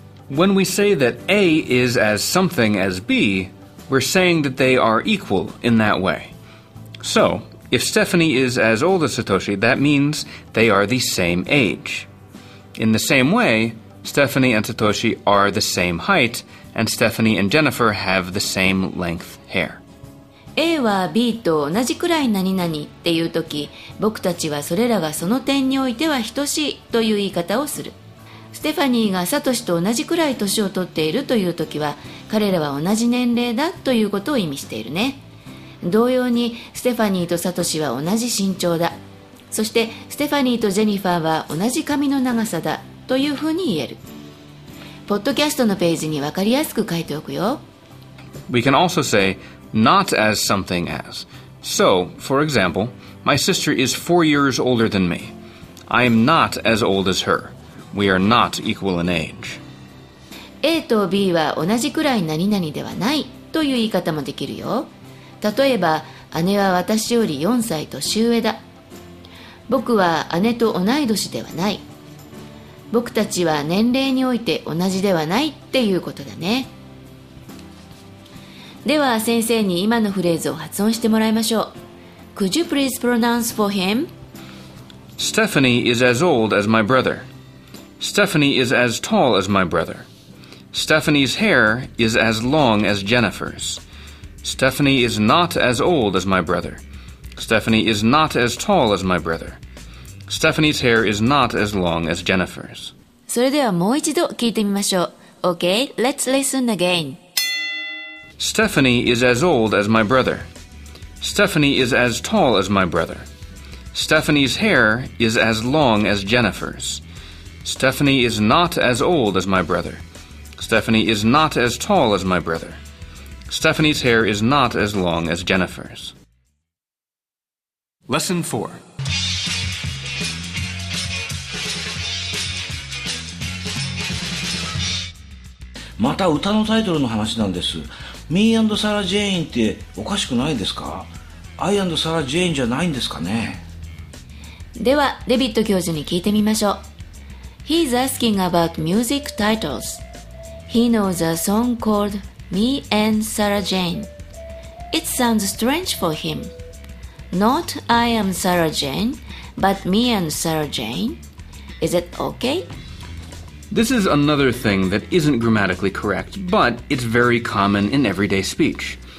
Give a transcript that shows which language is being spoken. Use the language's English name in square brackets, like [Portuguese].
[English] When we say that A is as something as B, we're saying that they are equal in that way. So, if Stephanie is as old as Satoshi, that means they are the same age. In the same way,Stephanie and Satoshi are the same height, and Stephanie and Jennifer have the same length hair. [Japanese] A は B と同じくらい何々っていうとき、僕たちはそれらがその点においては等しいという言い方をする。ステファニーがサトシと同じくらい年を取っているというときは、彼らは同じ年齢だということを意味しているね。同様に、ステファニーとサトシは同じ身長だ。そして、ステファニーとジェニファーは同じ髪の長さだ。というふうに言える。ポッドキャストのページに分かりやすく書いておくよ。 [English] We can also say not as something as. So, for example, my sister is 4 years older than me. I am not as old as her. We are not equal in age. [Japanese] A と B は同じくらい何々ではないという言い方もできるよ。例えば姉は私より4歳年上だ、僕は姉と同い年ではない、僕たちは年齢において同じではないっていうことだね。では先生に今のフレーズを発音してもらいましょう。 [English] Could you please pronounce for him? Stephanie is as old as my brother. Stephanie is as tall as my brother. Stephanie's hair is as long as Jennifer's. Stephanie is not as old as my brother. Stephanie is not as tall as my brother. Stephanie's hair is not as long as Jennifer's. [Japanese] それではもう一度聞いてみましょう。 [English] Okay, let's listen again. Stephanie is as old as my brother. Stephanie is as tall as my brother. Stephanie's hair is as long as Jennifer's. Stephanie is not as old as my brother. Stephanie is not as tall as my brother. Stephanie's hair is not as long as Jennifer's. Lesson 4. [Japanese] また歌のタイトルの話なんです。 Me and Sarah Jane っておかしくないですか?I and Sarah Jane じゃないんですかね? では、デビット教授に聞いてみましょう。 [English] He's asking about music titles. He knows a song called Me and Sarah Jane. It sounds strange for him. Not I am Sarah Jane, but Me and Sarah Jane. Is it okay? This is another thing that isn't grammatically correct, but it's very common in everyday speech.